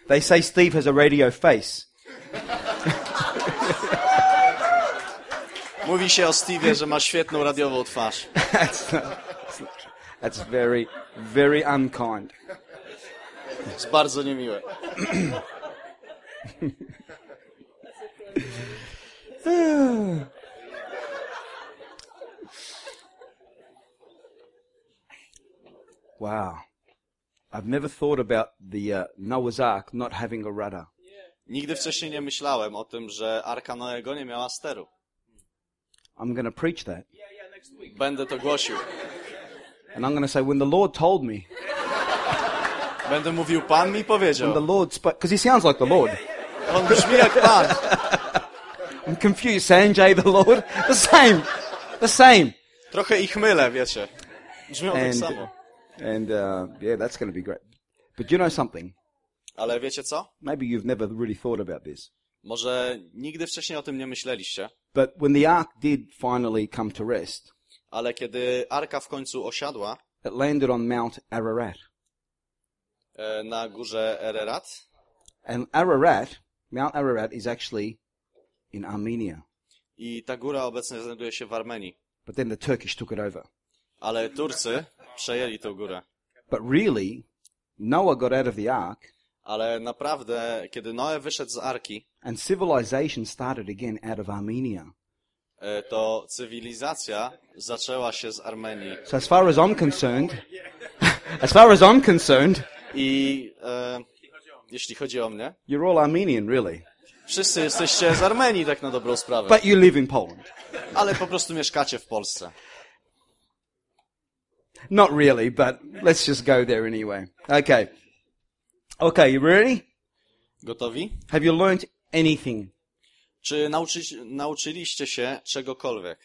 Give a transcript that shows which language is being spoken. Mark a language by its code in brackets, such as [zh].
[en] They say Steve has a radio face. [pl] Mówi się o Steve'ie, że ma świetną radiową twarz. [en] That's very, very unkind. [pl] Jest bardzo niemiłe. [en] Wow. I've never thought about the Noah's Ark not having a rudder. [pl] Nigdy wcześniej nie myślałem o tym, że Arka Noego nie miała steru. [en] I'm going to preach that. Yeah, next week. [pl] Będę to głosił. [en] And I'm going to say, when the Lord told me. [pl] Będę mówił, Pan mi powiedział. [en] When the Lord spoke, because he sounds like the Lord. [pl] On brzmi jak Pan. [en] I'm confused, Sanjay, the Lord. The same. The same. [pl] Trochę ich mylę, wiecie. Brzmią tak samo. [en] And yeah, that's going to be great. But you know something? [pl] Ale wiecie co? [en] Maybe you've never really thought about this. [pl] Może nigdy wcześniej o tym nie myśleliście. [en] But when the ark did finally come to rest, [pl] ale kiedy arka w końcu osiadła, [en] it landed on Mount Ararat. [pl] Na górze Ararat. [en] And Ararat, Mount Ararat is actually in Armenia. [pl] I ta góra obecnie znajduje się w Armenii. [en] But then the Turkish took it over. [pl] Ale Turcy przejęli tę górę. [en] But really, Noah got out of the ark. [pl] Ale naprawdę, kiedy Noe wyszedł z Arki, [en] and civilization started again out of Armenia. [pl] To cywilizacja zaczęła się z Armenii. [en] So as far as I'm concerned, as far as I'm concerned, [pl] i jeśli chodzi o mnie, [en] you're all Armenian, really. [pl] Wszyscy jesteście z Armenii, tak na dobrą sprawę. [en] But you live in Poland. [pl] Ale po prostu mieszkacie w Polsce. [en] Not really, but let's just go there anyway. Okay. Okay, you ready? [pl] Gotowi? [en] Have you learned anything? [pl] Czy nauczyliście się czegokolwiek?